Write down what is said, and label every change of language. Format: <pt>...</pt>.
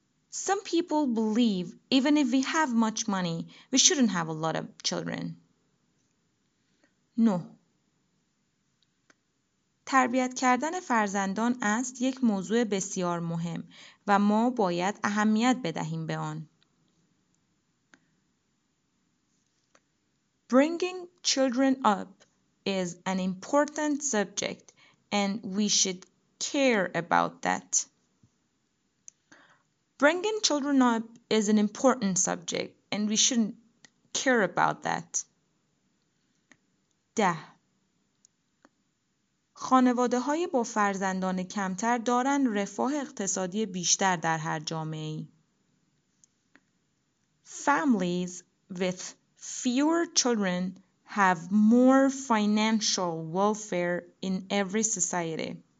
<en>Some people believe even if we have much money, we shouldn't have a lot of children. No.</en> <fa>تربیت کردن فرزندان است یک موضوع بسیار مهم و ما باید اهمیت بدهیم به آن.</fa> <en>Bringing children up is an important subject and we should care about that. Bringing children up is an important subject and we shouldn't care about that.</en> <fa>ده. خانواده های با فرزندان کمتر دارن رفاه اقتصادی بیشتر در هر جامعه ای.</fa> <en>Families with fewer children have more financial welfare in every society.</en>